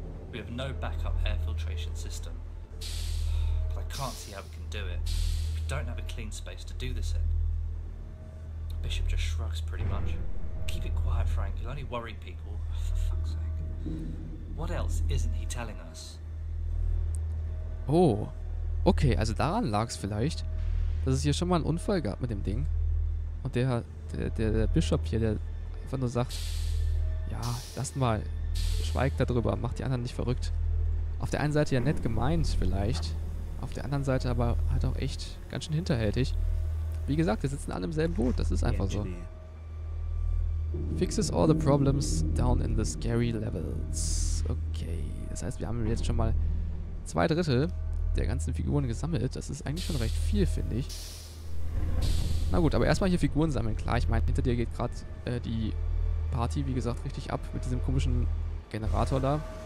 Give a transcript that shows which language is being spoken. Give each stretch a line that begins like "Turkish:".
English: We have no backup air filtration system. But I can't see how we can do it. We don't have a clean space to do this in. Bishop just shrugs pretty much. Keep it quiet, Frank. You'll only worry people. For fuck's sake. What else isn't he telling us?
German: Oh. Okay, also daran lag's vielleicht. Dass es hier schon mal einen Unfall gab mit dem Ding. Und der Bishop hier, der einfach nur sagt, ja, lasst mal, schweigt darüber, macht die anderen nicht verrückt. Auf der einen Seite ja nett gemeint vielleicht, auf der anderen Seite aber halt auch echt ganz schön hinterhältig. Wie gesagt, wir sitzen alle im selben Boot, das ist einfach so.
English: Fixes all the problems down in the scary levels.
German: Okay, das heißt, wir haben jetzt schon mal zwei Drittel der ganzen Figuren gesammelt. Das ist eigentlich schon recht viel, finde ich. Na gut, aber erstmal hier Figuren sammeln. Klar, ich meine, hinter dir geht gerade die Party, wie gesagt, richtig ab mit diesem komischen Generator da.